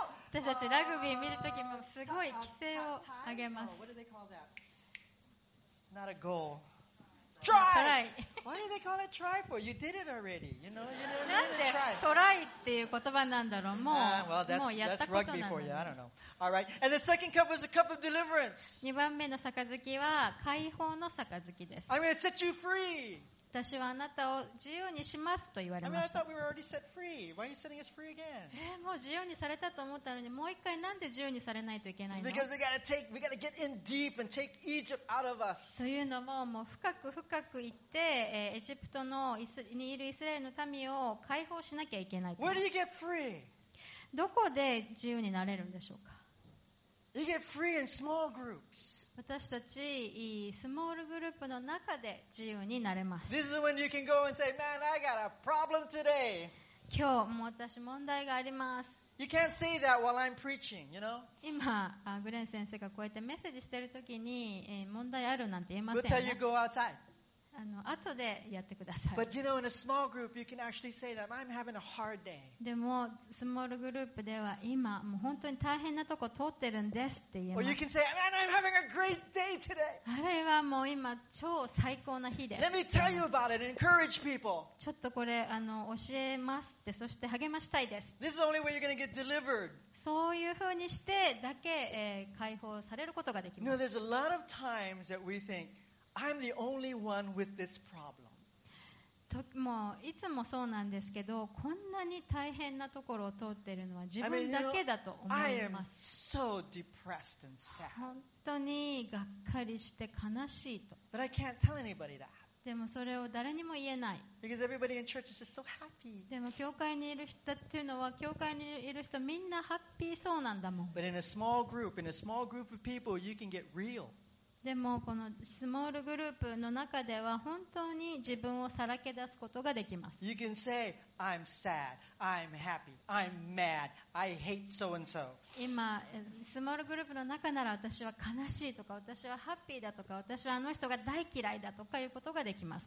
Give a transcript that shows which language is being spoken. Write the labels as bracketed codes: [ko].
[ja] 私たちラグビー見るときもすごい規制を上げます。 [en] What do they call that? Not a goal. Try. Why do they call it try for? You did it already. You know. You know. [ja] なんでトライっていう言葉なんだろう。もう [en] Well, that's rugby for you. I don't know. All right. And the second cup was a cup of deliverance. [ja] 二番目の杯は解放の杯です。 [en] I'm going to set you free. [ja] 私はあなたを自由にしますと言われました。 [en] I mean, I thought we were already set free. Why are you setting us free again? [ja] もう自由にされたと思ったのに、もう一回なんで自由にされないといけないの？ [en] Because we gotta get in deep and take Egypt out of us. [ja] というのも、もう深く深く行って、エジプトのにいるイスラエルの民を解放しなきゃいけない。 [en] Where do you get free? [ja] どこで自由になれるんでしょうか？ [en] You get free in small groups. [ja] 私たちスモールグループの中で自由になれます。 [en] This is when you can go and say, man, I got a problem today. [ja] 今日も私問題があります。 [en] You can't say that while I'm preaching, you know? [ja] 今グレン先生がこうやってメッセージしてる時に問題あるなんて言えませんね。 [en] We'll tell you go outside. [ja] 後でやってください。 [en] But you know, in a small group, you can actually say that I'm having a hard day. [ja] でもスモールグループでは今もう本当に大変なとこ通ってるんですって言えます。 [en] Or you can say, man, I'm having a great day today. [ja] あれはもう今超最高な日です。 [en] Let me tell you about it and encourage people. [ja] ちょっとこれ教えますって、そして励ましたいです。 [en] This is the only way you're going to get delivered. [ja] そういうふうにしてだけ、解放されることができます。 [en] No, there's a lot of times that we thinkI'm the only one with this problem. [ja] もういつもそうなんですけど、こんなに大変なところを通っているのは自分だけだと思います。 [en] I am so depressed and sad. [ja] 本当にがっかりして悲しいと。 [en] But I can't tell anybody that. [ja] でもそれを誰にも言えない。 [en] Because everybody in church is just so happy. [ja] でも教会にいる人っていうのは、教会にいる人みんなハッピーそうなんだもん。 [en] But in a small group, in a small group of people, you can get real. [ja] でもこのスモールグループの中では本当に自分をさらけ出すことができます。 [en] You can say, I'm sad, I'm happy, I'm mad, I hate so and so. [ja] 今スモールグループの中なら、私は悲しいとか、私はハッピーだとか、私はあの人が大嫌いだとかいうことができます。